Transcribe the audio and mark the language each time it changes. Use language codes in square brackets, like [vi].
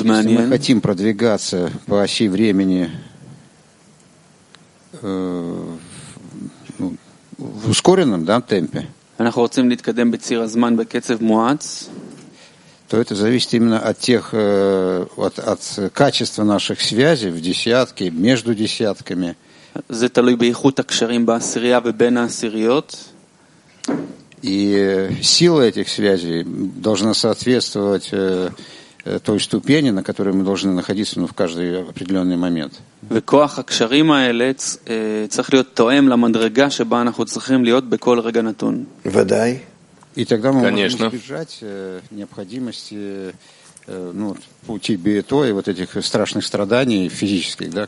[ru] если мы хотим продвигаться по оси времени в ускоренном, да, темпе, то то это зависит именно от тех, вот, от качества наших связей в десятке, между десятками. [he] זה תלוי באיכות הקשרים בעשירייה ובין העשיריות. [ru] И сила этих связей должна соответствовать той ступени, на которой мы должны находиться, ну, в каждый определенный момент. [he] וכוח הקשרים האלה צריך להיות תואם למדרגה שבה אנחנו צריכים להיות בכל רגע נתון. ודאי. [ru] И тогда мы можем избежать необходимости, ну, пути бето и вот этих страшных страданий физических, да,